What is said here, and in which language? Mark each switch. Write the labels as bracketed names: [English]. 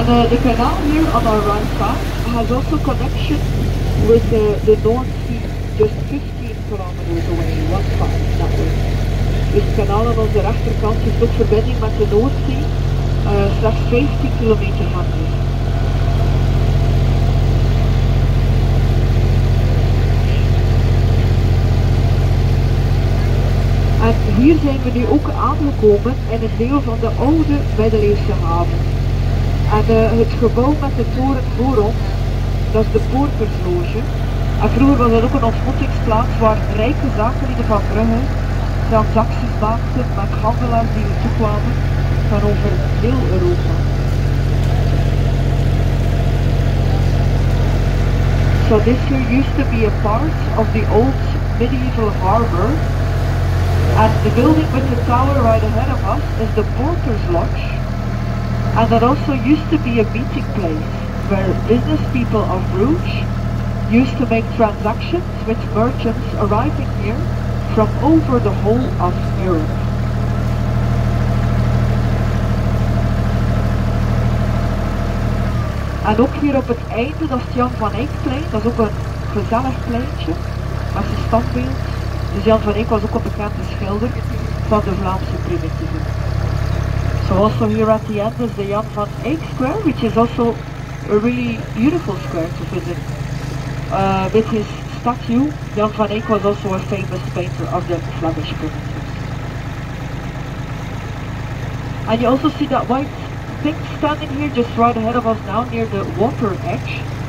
[English] The canal here on our right side has also connection with the North Sea, just 15 kilometers away, one side, that way. [Dutch] Dus het kanaal aan onze rechterkant heeft ook verbinding met de Noordzee, slechts 15 kilometer van hier. En hier zijn we nu ook aangekomen in een deel van de oude middeleeuwse haven. En het gebouw met de toren voor ons, dat is de Poortersloge. En vroeger was dat ook een ontmoetingsplaats waar rijke zakenlieden van Brugge transacties maakten met handelaars die er toe kwamen van over heel Europa. [English] So this here used to be a part of the old medieval harbor. And the building with the tower right ahead of us is the Porter's Lodge. And that also used to be a meeting place where business people of Bruges used to make transactions with merchants arriving here from over the whole of Europe. [Dutch] And ook hier op het einde, dat is het Jan van Eyckplein, dat is ook een gezellig pleintje met zijn standbeeld. Dus Jan van Eyck was ook een bekende schilder van de Vlaamse primitieve. [English] So also here at the end is the Jan van Eyck Square, which is also a really beautiful square to visit. With his statue, Jan van Eyck was also a famous painter of the Flemish primitives. And you also see that white thing standing here just right ahead of us now near the water edge.